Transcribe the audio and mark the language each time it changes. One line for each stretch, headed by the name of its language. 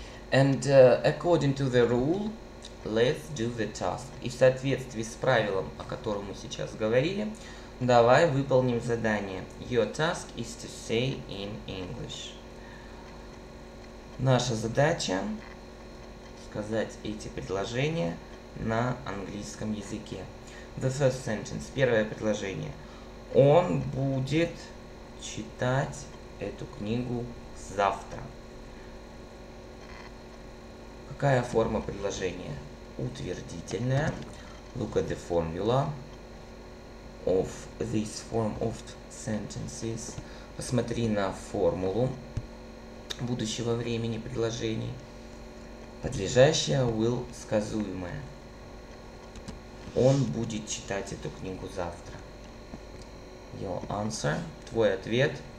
English: And according to the rule, let's do the task.
Russian: И в соответствии с правилом, о котором мы сейчас говорили, давай выполним задание.
English: Your task is to say in English.
Russian: Наша задача сказать эти предложения на английском языке.
English: The first sentence.
Russian: Первое предложение. Он будет читать эту книгу завтра. Какая форма предложения? Утвердительная.
English: Look at the formula of this form of sentences.
Russian: Посмотри на формулу будущего времени предложений. Подлежащее will сказуемое. Он будет читать эту книгу завтра.
English: Your answer.
Russian: Твой ответ.